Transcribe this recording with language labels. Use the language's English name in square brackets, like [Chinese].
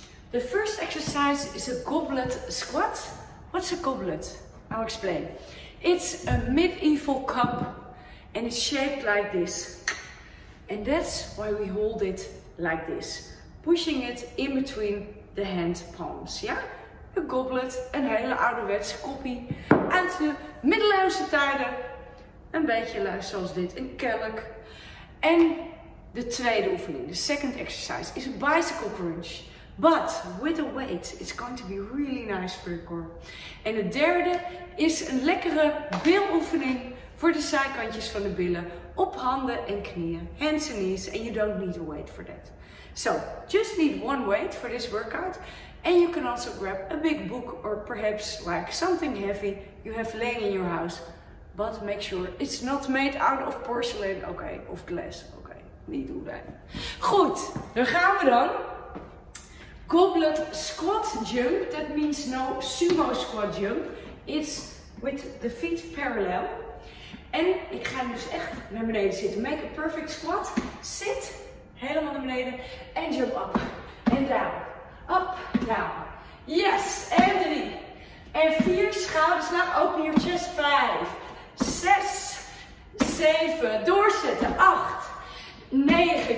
[English] The first exercise is a goblet squat. What's a goblet? I'll explain. It's a medieval cup and it's shaped like this. And that's why we hold it like this, pushing it in between the hand palms. [Dutch] Ja, een goblet, een hele ouderwetse koppie uit de middeleeuwse tijden. Een beetje zoals dit, een kelk. En de tweede oefening, de [English] second exercise, is a bicycle crunch. But with a weight, it's going to be really nice for your core. [Dutch] En de derde is een lekkere biloefening voor de zijkantjes van de billen. Op handen en knieën, [English] hands and knees, and you don't need a weight for that. So, just need one weight for this workout. And you can also grab a big book or perhaps like something heavy you have laying in your house. But make sure it's not made out of porcelain, okay, of glass, okay, [Dutch] niet doen wij. Goed, daar gaan we dan. [English] Goblet squat jump, that means no sumo squat jump. It's with the feet parallel. [Dutch] En ik ga dus echt naar beneden zitten. [English] Make a perfect squat. Sit. [Dutch] Helemaal naar beneden. [English] En jump up. En down. Up. Down. Yes. En 3. En 4. [Dutch] Schouders naar. [English] Open your chest. 5. 6. 7. [Dutch] Doorzetten. [English] 8. 9.